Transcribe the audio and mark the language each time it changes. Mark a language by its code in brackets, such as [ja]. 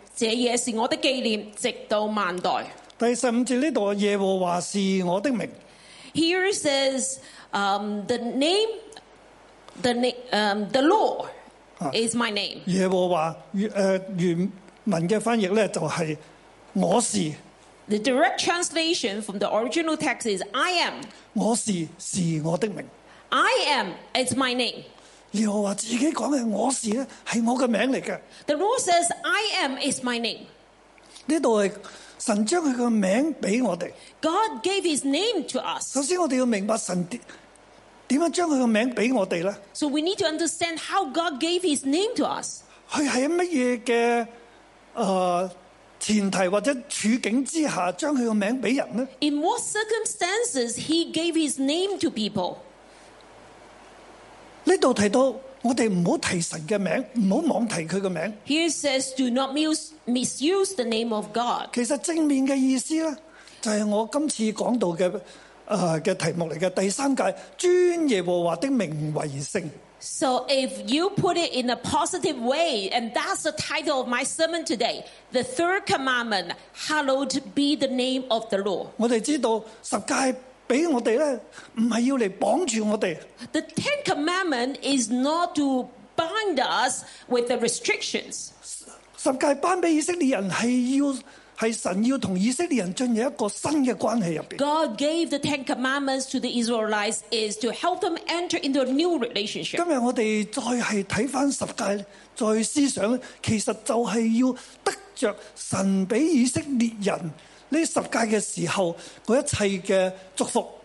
[yue] 这也是我的纪念，直到万代。第十五节呢度，耶和华是我的名。 [en] Here says, the Lord is my name. [yue] 耶和华原文嘅翻译咧就系我是。 [en] The direct translation from the original text is I am. [yue] 我是我的名。 [en] I am is my name. [yue] 耶和华自己讲嘅我是咧，系我嘅名嚟嘅。 [en] The Lord says, "I am is my name." [yue] 呢度系神将佢嘅名俾我哋。 [en] God gave His name to us. [yue] 首先，我哋要明白神点样将佢嘅名俾我哋咧。 [en] So we need to understand how God gave His name to us. [yue] 佢系乜嘢嘅前提或者处境之下将佢嘅名俾人咧 [en] ？In what circumstances He gave His name to people? [yue] 呢度提到，我哋唔好提神嘅名，唔好妄提佢嘅名。 [en] Here says, do not misuse the name of God. [yue] 其实正面嘅意思咧，就系我今次讲到嘅题目嚟嘅，第三届尊耶和华的名为圣。 [en] So if you put it in a positive way, and that's the title of my sermon today, the third commandment, hallowed be the name of the Lord. [yue] 我哋知道十诫。俾我哋咧，唔系要嚟绑住我哋。 [en] The Ten Commandment is not to bind us with the restrictions. [yue] 十诫颁俾以色列人系要系神要同以色列人进入一个新嘅关系入边。 [en] God gave the Ten Commandments to the Israelites is to help them enter into a new relationship. [yue] 今日我哋再系睇翻十诫，再思想咧，其实就系要得着神俾以色列人。呢十诫嘅时候，嗰一切嘅祝福。